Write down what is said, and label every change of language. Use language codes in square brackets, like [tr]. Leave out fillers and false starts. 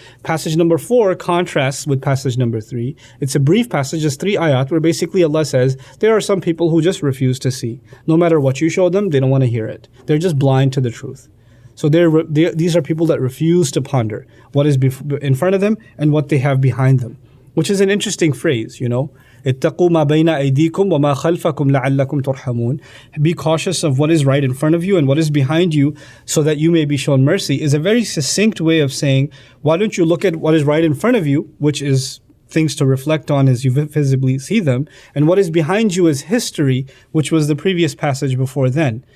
[en] Passage number four contrasts with passage number three. It's a brief passage, just three ayat, where basically Allah says, there are some people who just refuse to see. No matter what you show them, they don't want to hear it. They're just blind to the truth. So these are people that refuse to ponder what is in front of them and what they have behind them, which is an interesting phrase, you know. [ar] اتقوا ما بين أيديكم وما خلفكم لعلكم ترحمون. [en] Be cautious of what is right in front of you and what is behind you so that you may be shown mercy is a very succinct way of saying, why don't you look at what is right in front of you, which is things to reflect on as you visibly see them, and what is behind you is history, which was the previous passage before then.